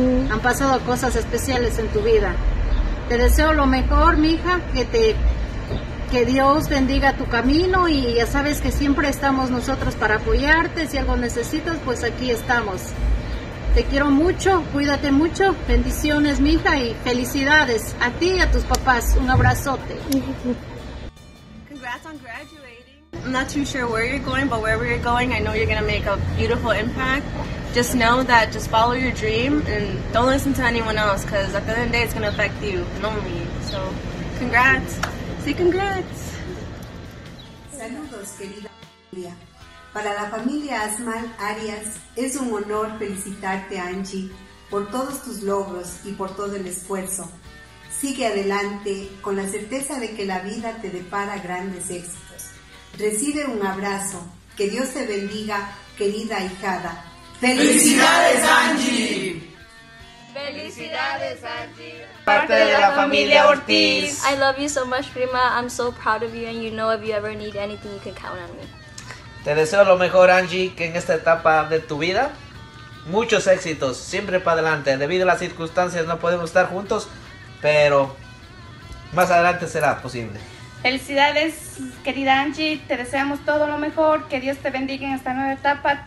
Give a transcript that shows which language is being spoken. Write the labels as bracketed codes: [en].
[es] Han pasado cosas especiales en tu vida. Te deseo lo mejor, mija, que Dios bendiga tu camino y ya sabes que siempre estamos nosotros para apoyarte. Si algo necesitas, pues aquí estamos. Te quiero mucho, cuídate mucho. Bendiciones, mija, y felicidades a ti y a tus papás. Un abrazote. [en] Congrats on graduating. I'm not too sure where you're going, but wherever you're going, I know you're going to make a beautiful impact. Just know that just follow your dream and don't listen to anyone else because at the end of the day, it's going to affect you, not me. So, congrats. [es] Sí, [en] congrats. [es] Saludos, querida familia. Para la familia Asmal Arias, es un honor felicitarte, Angie, por todos tus logros y por todo el esfuerzo. Sigue adelante con la certeza de que la vida te depara grandes éxitos. Recibe un abrazo. Que Dios te bendiga, querida hijada. ¡Felicidades, Angie! ¡Felicidades, Angie! ¡Parte de la familia Ortiz! [en] I love you so much, prima. I'm so proud of you and you know if you ever need anything, you can count on me. [es] Te deseo lo mejor, Angie, que en esta etapa de tu vida, muchos éxitos, siempre para adelante. Debido a las circunstancias no podemos estar juntos, pero más adelante será posible. ¡Felicidades, querida Angie! Te deseamos todo lo mejor, que Dios te bendiga en esta nueva etapa.